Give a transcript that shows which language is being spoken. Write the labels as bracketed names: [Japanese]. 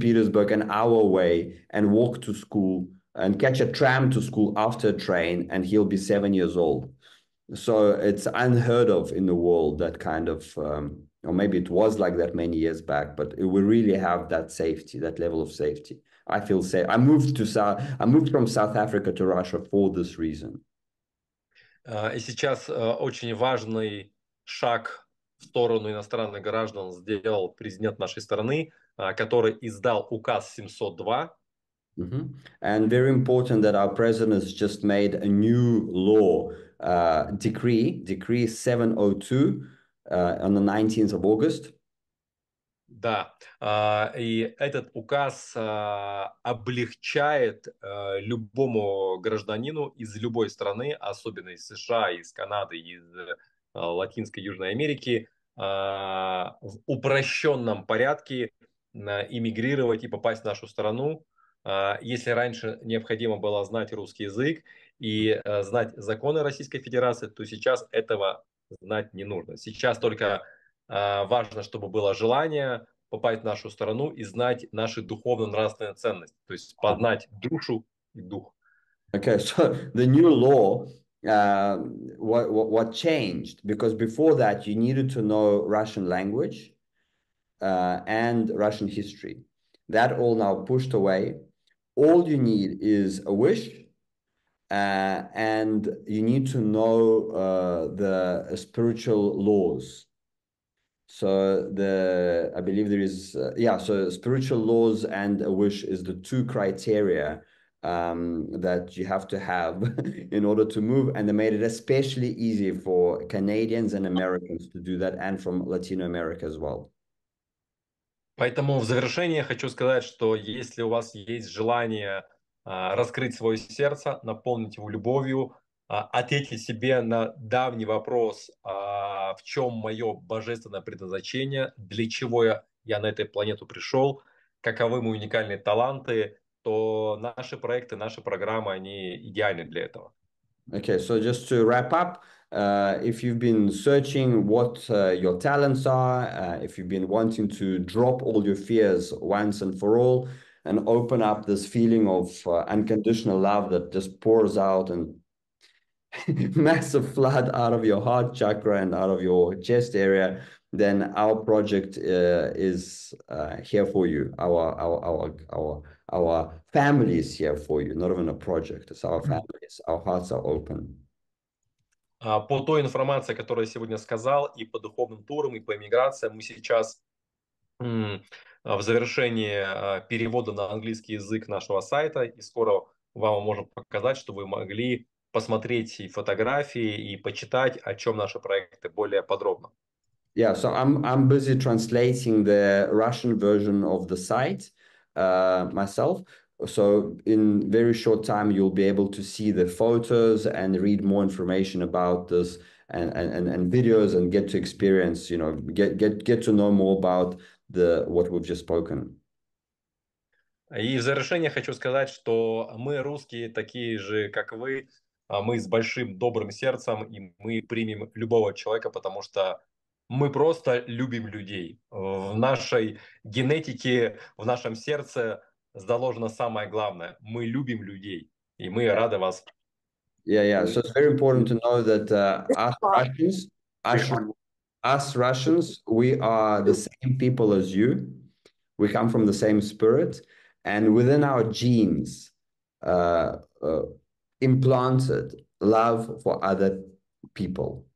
[English] Petersburg, an hour away, and walk to school and catch a tram to school after a train, and he'll be 7 years old. So it's unheard of in the world, that kind of, or maybe it was like that many years back, but we really have that safety, that level of safety. I feel safe. I moved from South Africa to Russia for this reason. [Russian] И сейчас очень важный шаг в сторону иностранных граждан сделал президент нашей страны, который издал указ 702. Mm-hmm. [English] And very important that our president has just made a new law, decree 702, on the 19th of August. [Russian] Да, и этот указ облегчает любому гражданину из любой страны, особенно из США, из Канады, из Латинской и Южной Америки, в упрощенном порядке иммигрировать и попасть в нашу страну. Если раньше необходимо было знать русский язык и знать законы Российской Федерации, то сейчас этого знать не нужно. Сейчас только важно, чтобы было желание попасть в нашу страну и знать наши духовно-нравственные ценности, то есть познать душу и дух. [English] Okay, so the new law, what changed? Because before that, you needed to know Russian language and Russian history. That all now pushed away. All you need is a wish, and you need to know the spiritual laws. So I believe there is, so spiritual laws and a wish is the two criteria that you have to have in order to move. And they made it especially easy for Canadians and Americans to do that, and from Latino America as well. [Russian] Поэтому в завершение хочу сказать, что если у вас есть желание раскрыть свое сердце, наполнить его любовью, ответить себе на давний вопрос, в чем мое божественное предназначение, для чего я на эту планету пришел, каковы мои уникальные таланты, то наши проекты, наши программы, они идеальны для этого. [English] Okay, so just to wrap up, if you've been searching what your talents are, if you've been wanting to drop all your fears once and for all and open up this feeling of unconditional love that just pours out and massive flood out of your heart chakra and out of your chest area, then our project is here for you. Our family is here for you, not even a project. It's our families. Our hearts are open. [Russian] По той информации, которую я сегодня сказал, и по духовным турам, и по иммиграциям, мы сейчас в завершении перевода на английский язык нашего сайта, и скоро вам можем показать, что вы могли посмотреть и фотографии, и почитать, о чем наши проекты более подробно. [English] Yeah, so I'm busy translating the Russian version of the site myself. So in very short time, you'll be able to see the photos and read more information about this and videos and get to experience, you know, get to know more about the what we've just spoken. [Russian] И в завершение хочу сказать, что мы русские такие же, как вы. Мы с большим добрым сердцем, и мы примем любого человека, потому что мы просто любим людей. В нашей генетике, в нашем сердце заложено самое главное. Мы любим людей, и мы рады вас. [English] Yeah. So it's very important to know that us Russians, we are the same people as you. We come from the same spirit, and within our genes, implanted love for other people.